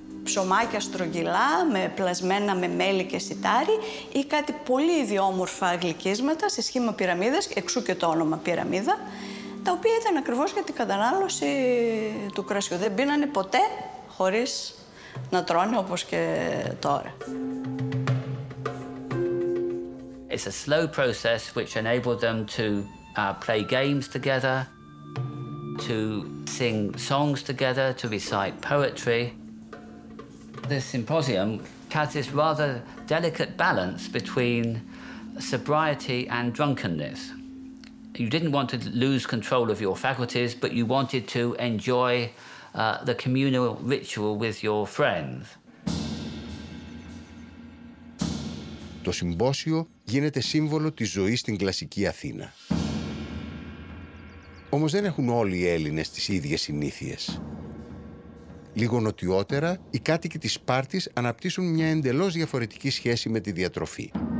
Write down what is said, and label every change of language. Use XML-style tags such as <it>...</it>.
<el>Ψωμάκια στρογγυλά, με πλασμένα με μέλι και σιτάρι ή κάτι πολύ ιδιόμορφα γλυκίσματα σε σχήμα πυραμίδας, εξού και το όνομα πυραμίδα, τα οποία ήταν ακριβώς για την κατανάλωση του κρασιού. Δεν πίνανε ποτέ χωρίς να τρώνε όπως και τώρα.</el> <en>It's a slow process which enabled them to play games together, to sing songs together, to recite poetry. This symposium has this rather delicate balance between sobriety and drunkenness. You didn't want to lose control of your faculties, but you wanted to enjoy the communal ritual with your friends.</en> <el>Το συμπόσιο γίνεται σύμβολο της ζωής στην κλασική Αθήνα. Όμως δεν έχουν όλοι οι Έλληνες τις ίδιες συνήθειες. Λίγο νοτιότερα, οι κάτοικοι της Σπάρτης αναπτύσσουν μια εντελώς διαφορετική σχέση με τη διατροφή.</el>